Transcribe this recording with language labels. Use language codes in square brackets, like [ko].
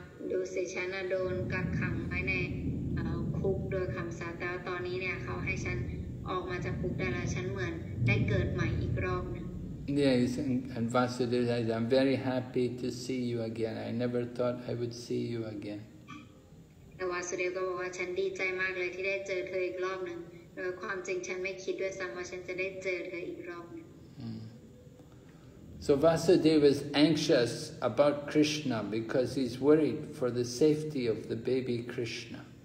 [th] ดุสิตฉันโดนกักขังไว้ในคุกโดยคำสาปแล้วตอนนี้เนี่ยเขาให้ฉันออกมาจากคุกได้แล้วฉันเหมือนได้เกิดใหม่อีกรอบนึง [en] Yes, and Vasudeva says, I'm very happy to see you again. I never thought I would see you again. [th] แต่ Vasudeva บอกว่าฉันดีใจมากเลยที่ได้เจอเธออีกรอบนึงโดยความจริงฉันไม่คิดด้วยซ้ำว่าฉันจะได้เจอเธออีกรอบนึง [en] So Vasudeva is anxious about Krishna because he's worried for the safety of the baby Krishna.